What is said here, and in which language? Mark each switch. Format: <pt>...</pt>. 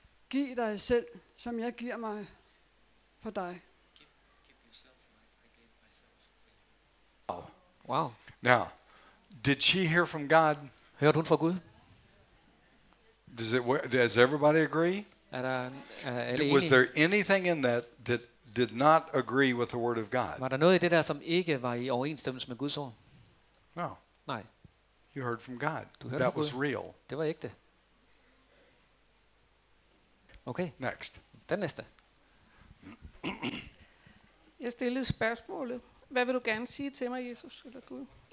<da>Giv dig selv, som jeg giver mig for dig.</da> <en>Wow. Now, did she hear from God?</en> <da>Hørte hun fra Gud?</da> <en>Does everybody agree? Was there anything in that that did not agree with the word of God?</en> <da>Var der noget i det der, som ikke var i overensstemmelse med Guds ord?</da> <en>No.</en> <da>Nej.</da> <en>You heard from God.</en> <da>Du hørte</da> <en>that</en> <da>fra</da> <en>was</en> <da>Gud.</da> <en>Real.</en> <da>Det var ægte.</da> <en>Okay. Next.</en> <da>Den næste. Jeg stillede spørgsmålet. Hvad vil du gerne sige til mig, Jesus eller Gud?</da>